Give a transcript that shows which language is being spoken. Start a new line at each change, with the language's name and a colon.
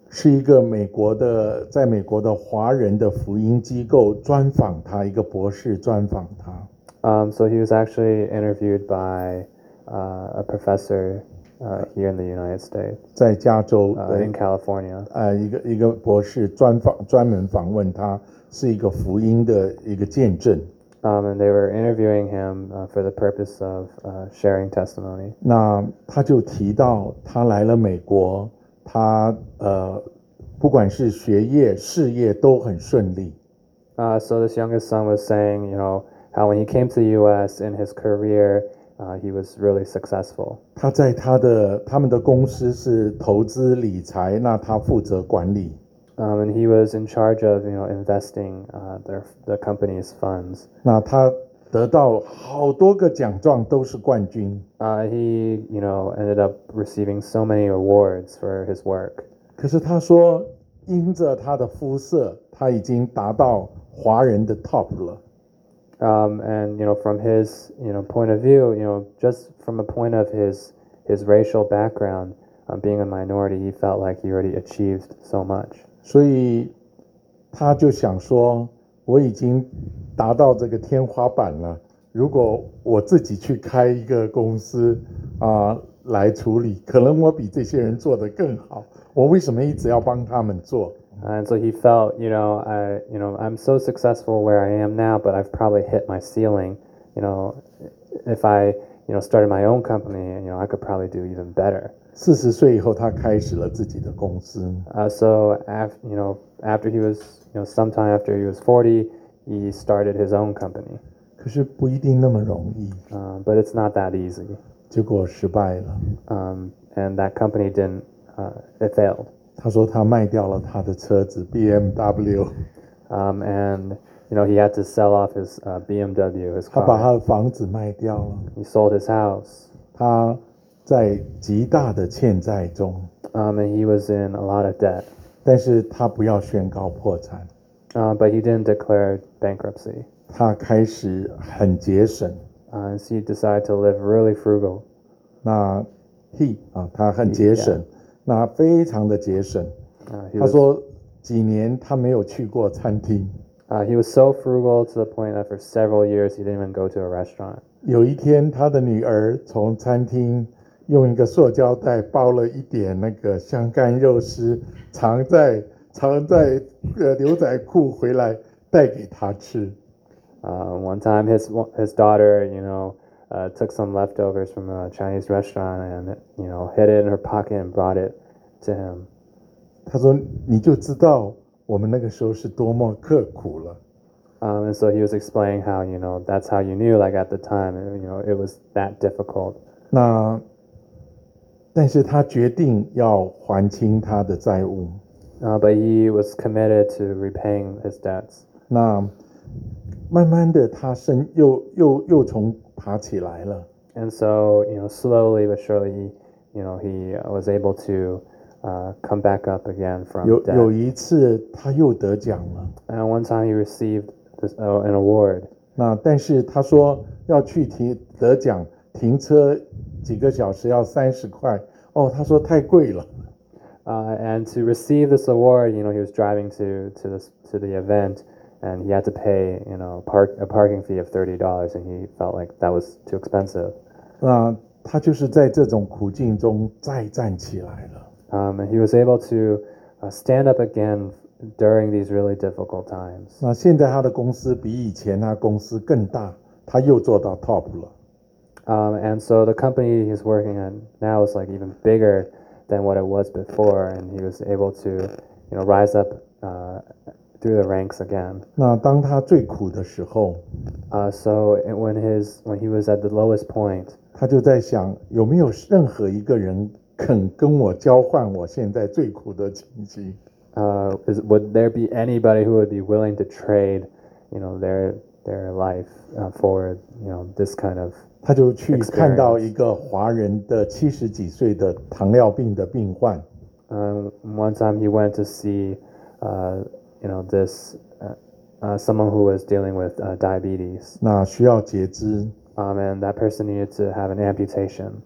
Chinese: 是一个美国的，在美国的华人的福音机构专访他，一个博士专访他。
English: So he was actually interviewed by a professor here in the United States.
Chinese: 在加州
English: 的。In California.
Chinese: 一个博士专门访问他，是一个福音的一个见证。
English: And they were interviewing him for the purpose of sharing testimony.
Chinese: 那他就提到他来了美国，他不管是学业事业都很顺利。
English: So this youngest son was saying, you know, how when he came to the U.S. in his career, he was really successful.
Chinese: 他在他们的公司是投资理财，那他负责管理。
English: And he was in charge of, you know, investing the company's funds.
Chinese: 那他得到好多个奖状，都是冠军。
English: He, you know, ended up receiving so many awards for his work.
Chinese: 可是他说，因着他的肤色，他已经达到华人的 top 了。
English: And you know, from his, you know, point of view, you know, just from a point of his racial background, being a minority, he felt like he already achieved so much.
Chinese: 所以他就想说，我已经达到这个天花板了，如果我自己去开一个公司来处理，可能我比这些人做得更好，我为什么一直要帮他们做。
English: And so he felt, you know, I'm so successful where I am now, but I've probably hit my ceiling. You know, if I, you know, started my own company, you know, I could probably do even better.
Chinese: 四十岁以后，他开始了自己的公司。
English: So after, you know, after he was, you know, sometime after he was 40, he started his own company.
Chinese: 可是不一定那么容易。
English: But it's not that easy.
Chinese: 结果失败了。
English: And that company didn't, it failed.
Chinese: 他说他卖掉了他的车子 BMW.
English: And you know, he had to sell off his BMW, his car.
Chinese: 他把他的房子卖掉了。
English: He sold his house.
Chinese: 他在极大的欠债中。
English: And he was in a lot of debt.
Chinese: 但是他不要宣告破产。
English: But he didn't declare bankruptcy.
Chinese: 他开始很节省。
English: So he decided to live really frugal.
Chinese: 那 他很节省。那非常的节省。他说几年他没有去过餐厅。
English: He was so frugal to the point that for several years he didn't even go to a restaurant.
Chinese: 有一天他的女儿从餐厅用一个塑胶袋包了一点那个香干肉丝，藏在牛仔裤回来带给他吃。
English: One time his daughter, you know, took some leftovers from a Chinese restaurant and, you know, hid it in her pocket and brought it to him.
Chinese: 他说你就知道我们那个时候是多么刻苦了。
English: And so he was explaining how, you know, that's how you knew, like at the time, you know, it was that difficult.
Chinese: 那但是他决定要还清他的债务。
English: But he was committed to repaying his debts.
Chinese: 那慢慢的他身又从爬起来了。
English: And so, you know, slowly but surely, you know, he was able to come back up again from death.
Chinese: 有一次他又得奖了。
English: And one time he received this, an award.
Chinese: 那但是他说要去得奖停车几个小时要30块。哦他说太贵了。
English: And to receive this award, you know, he was driving to the event, and he had to pay, you know, a parking fee of $30, and he felt like that was too expensive.
Chinese: 他就是在这种苦境中再站起来了。
English: And he was able to stand up again during these really difficult times.
Chinese: 那现在他的公司比以前他公司更大，他又做到 top 了。
English: And so the company he's working at now is like even bigger. Than what it was before, and he was able to, you know, rise up, through the ranks again.
Chinese: 那当他最苦的时候，
English: so when he was at the lowest point,
Chinese: 他就在想有没有任何一个人肯跟我交换我现在最苦的情形。
English: Would there be anybody who would be willing to trade, you know, their life, for, you know, this kind of?
Chinese: 他就去看到一个华人的70几岁的糖尿病的病患。
English: One time he went to see, you know, this, someone who was dealing with diabetes.
Chinese: 那需要截肢。
English: And that person needed to have an amputation.